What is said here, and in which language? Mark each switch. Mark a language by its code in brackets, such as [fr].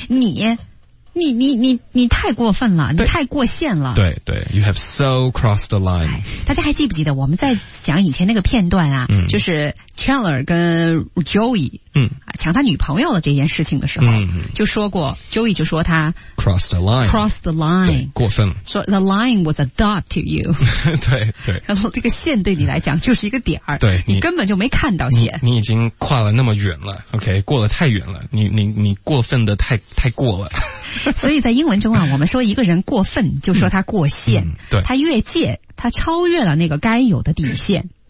[zh] 你太过分了，你太过线了，对对 [en] ，You have so crossed the line。 [zh] 大家还记不记得我们在讲以前那个片段啊？嗯，就是 Chandler 跟 Joey，嗯，抢他女朋友的这件事情的时候，嗯，就说过 ，Joey 就说他 [en] crossed the line， [zh] 对，过分了， [en] 说 the line was a dot to you， [zh] 对对，然后这个线对你来讲就是一个点儿，对你根本就没看到线，你已经跨了那么远了 ，OK， 过了太远了，你过分的太过了。所以在英文中啊，我们说一个人过分就说他过线，嗯，对，他越界，他超越了那个该有的底线。